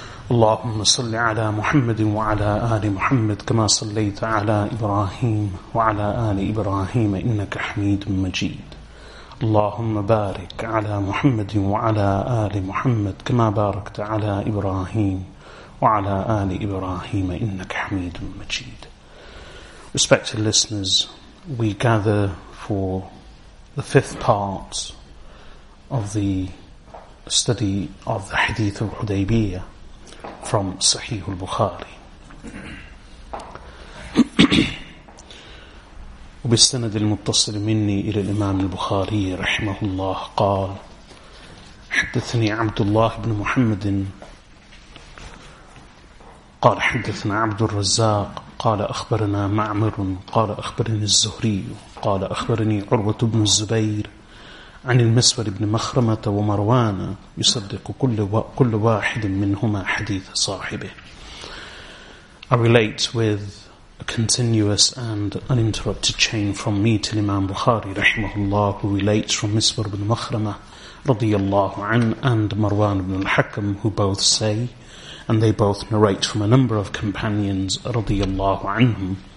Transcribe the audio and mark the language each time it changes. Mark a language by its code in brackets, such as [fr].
[ar] اللهم صل على محمد وعلى آل محمد كما صليت على إبراهيم وعلى آل إبراهيم إنك حميد مجيد. اللهم بارك على محمد وعلى آل محمد كما باركت على إبراهيم وعلى آل إبراهيم إنك حميد مجيد. [en] Respected listeners, we gather for the fifth part of the study of the Hadith of Hudaybiyah from Sahih al-Bukhari. [ar] وبالسند المتصل مني إلى الإمام البخاري رحمه الله قال حدثني عبد الله بن محمد قال حدثنا عبد الرزاق قال أخبرنا معمر قال أخبرني الزهري قال أخبرني عروة بن الزبير عن المسور بن مخرمة ومروان يصدق كل واحد منهما حديث صاحبه. [en] I relate with a continuous and uninterrupted chain from me to Imam Bukhari [ar] رحمه الله, [en] who relates from Miswar ibn Makhrama [ar] رضي الله عنه [en] and Marwan ibn al-Hakam, who both say, and they both narrate from a number of companions [ar] رضي الله عنهم.